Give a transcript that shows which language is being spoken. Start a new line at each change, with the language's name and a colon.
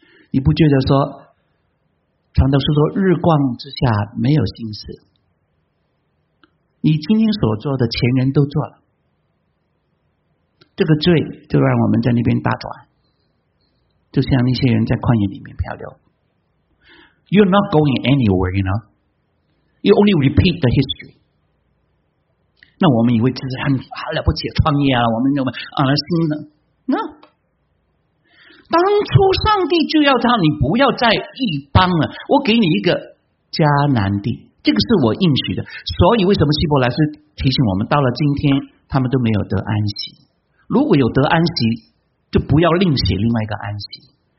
Chinese: 你不觉得说，传道书说日光之下没有新事？你今天所做的前人都做了，这个罪就让我们在那边打转，就像那些人在旷野里面漂流。
English: You're not going anywhere, you know, you only repeat the history。
Chinese: 那我们以为这是很了不起的创业啊，我们认为啊新的 No, 当初上帝就要叫你不要再异邦了，我给你一个迦南地，这个是我应许的。所以为什么希伯来斯提醒我们到了今天他们都没有得安息，如果有得安息就不要另写另外一个安息。